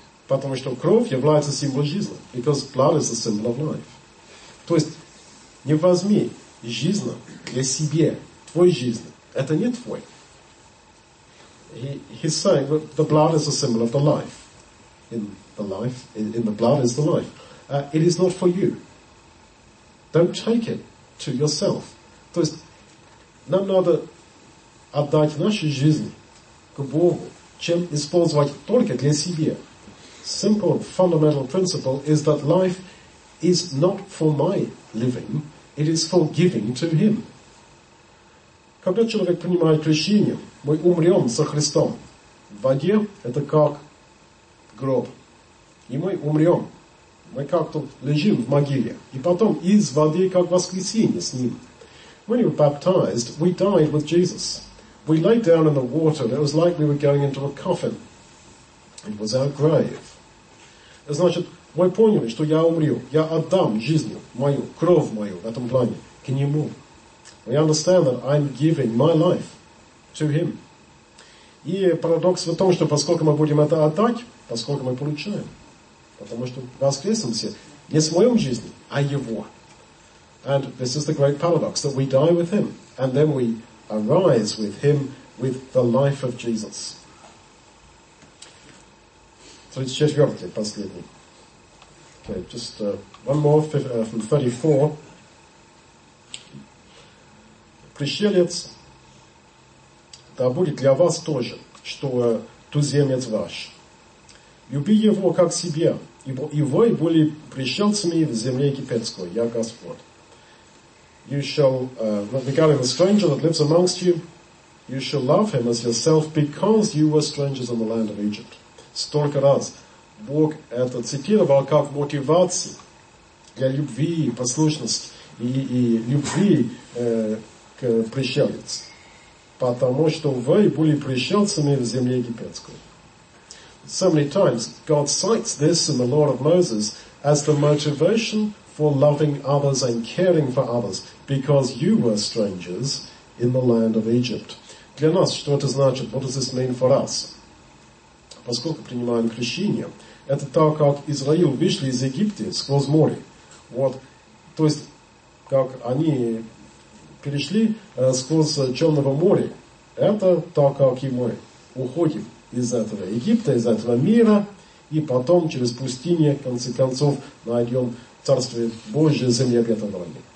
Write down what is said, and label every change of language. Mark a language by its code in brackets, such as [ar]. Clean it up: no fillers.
[ru] Потому что кровь является символом жизни. [en] Because blood is a symbol of life. [ru] То есть, не возьми жизнь для себе. Твой жизнь. Это не твой. [en] He's saying that the blood is a symbol of the life. In the blood is the life. It is not for you. Don't take it to yourself. [ru] То есть, нам надо отдать нашу жизнь к Богу, чем использовать только для себя. [en] Simple fundamental principle is that life is not for my living, it is for giving to Him. [ru] Когда человек принимает крещение, мы умрем со Христом. В воде это как гроб. И мы умрем. Мы как-то лежим в могиле. И потом из воды как воскресенье с Ним. [en] When you were baptized, we died with Jesus. We laid down in the water, and it was like we were going into a coffin. It was our grave. [ru] Значит, мы поняли, что я умру. Я отдам жизнь мою, кровь мою в этом плане к Нему. [en] We understand that I'm giving my life to Him. [ru] И парадокс в том, что поскольку мы будем это отдать, поскольку мы получаем, потому что воскреснемся не с моей жизнью, а Его. [en] And this is the great paradox, that we die with Him, and then we arise with Him, with the life of Jesus. [ru] 34, последний. [en] Okay, just one more from 34. [ru] Пришелец, да будет для вас тоже, что туземец ваш. Люби его как себя, ибо и вы были пришелцами в земле египетской, я Господь. [en] You shall, regarding the stranger that lives amongst you, you shall love him as yourself because you were strangers in the land of Egypt. [ru] Столько раз Бог это цитировал как мотивации для любви, послушности и любви к пришельцу. Потому что вы были пришельцами в земле египетской. [en] So many times God cites this in the law of Moses as the motivation for loving others and caring for others, because you were strangers in the land of Egypt. [ru] Для нас, что это значит? [en] What does this mean for us? [ru] Поскольку принимаем крещение, это так, как Израиль вышли из Египта сквозь море. Вот. То есть, как они перешли сквозь Черного моря, это так, как и мы уходим из этого Египта, из этого мира, и потом через пустыню, в конце концов, найдем Царствие Божие, земля обетованная.